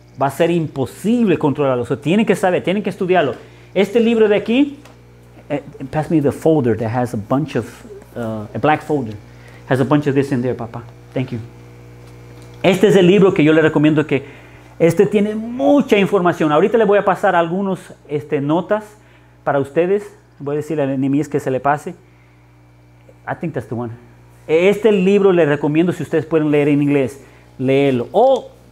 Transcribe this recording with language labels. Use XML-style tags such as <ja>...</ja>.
<es>Va a ser imposible controlarlo. O sea, tienen que saber, tienen que estudiarlo. Este libro de aquí,</es> <en>pass me the folder that has a bunch of, a black folder, has a bunch of this in there, papá. Thank you.</en> <es>Este es el libro que yo le recomiendo que, este tiene mucha información. Ahorita le voy a pasar algunas notas para ustedes. Voy a decirle a Nemías que se le pase.</es> <en>I think that's the one.</en> <es>Este libro le recomiendo, si ustedes pueden leer en inglés, léelo. O...</es>